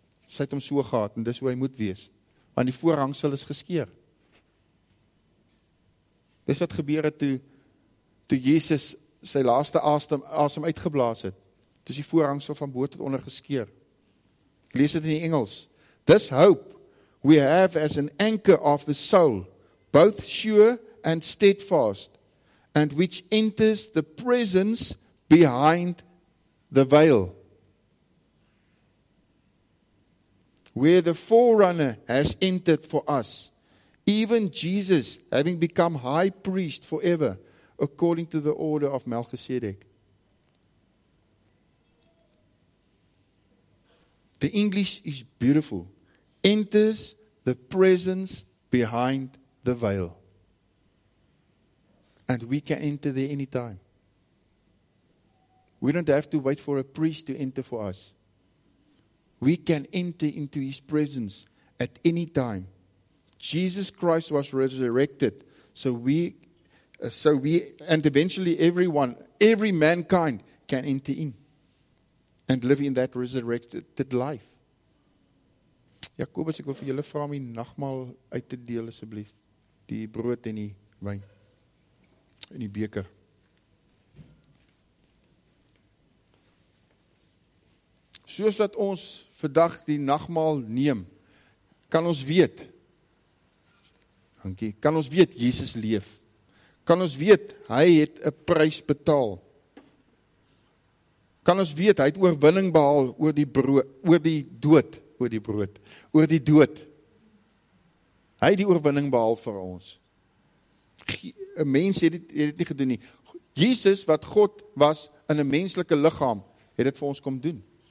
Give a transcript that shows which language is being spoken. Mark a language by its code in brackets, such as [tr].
[af] Sy het hom so gehad, en dis hoe hy moet wees, want die voorhangsel is geskeur. Dis wat gebeur het toe Jesus sy laaste asem uitgeblaas het, toe die voorhangsel van bo tot onder geskeur. Ek lees dit in die Engels. [en] This hope we have as an anchor of the soul, both sure and steadfast, and which enters the presence behind the veil, where the forerunner has entered for us, even Jesus, having become high priest forever, according to the order of Melchizedek. The English is beautiful. Enters the presence behind the veil. And we can enter there anytime. We don't have to wait for a priest to enter for us. We can enter into his presence at any time. Jesus Christ was resurrected, so we and eventually every mankind can enter in and live in that resurrected life. [af] Jakobus, ek wil vir julle vra om die nagmaal uit te deel asseblief, die brood en die wyn in die beker. soos dat ons vandag die nagmaal neem, kan ons weet, dankie, kan ons weet Jesus leef, kan ons weet, hy het 'n prys betaal, kan ons weet, hy het oorwinning behaal oor die dood, hy het die oorwinning behaal vir ons, een mens het nie gedoen nie, Jesus wat God was in 'n menslike lichaam, het dit vir ons kom doen,